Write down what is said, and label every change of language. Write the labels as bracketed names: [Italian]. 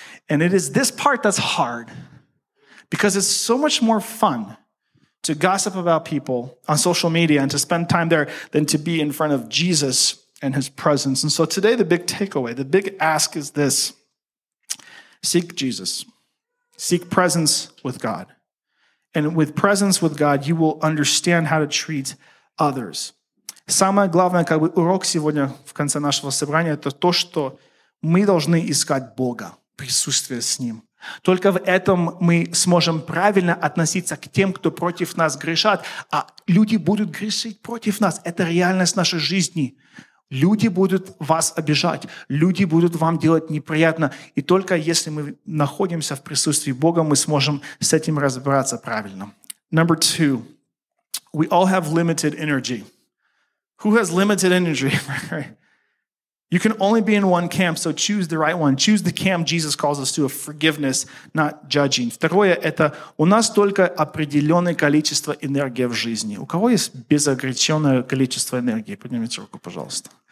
[English] And it is this part that's hard, because it's so much more fun to gossip about people on social media and to spend time there than to be in front of Jesus and his presence. And so today, the big takeaway, the big ask is this: seek Jesus, seek presence with God. And with presence with God, you will understand how to treat others. [Russian] Самое главное, как бы, урок сегодня в конце нашего собрания, это то, что мы должны искать Бога. Присутствие с Ним. Только в этом мы сможем правильно относиться к тем, кто против нас грешат. А люди будут грешить против нас. Это реальность нашей жизни. Люди будут вас обижать. Люди будут вам делать неприятно. И только если мы находимся в присутствии Бога, мы сможем с этим разобраться правильно. [English] Number two. We all have limited energy. Who has limited energy? You can only be in one camp, so choose the right one. Choose the camp Jesus calls us to, of forgiveness, not judging. [Russian] Второе – это у нас только определенное количество энергии в жизни. У кого есть безограниченное количество энергии? Поднимите руку, пожалуйста.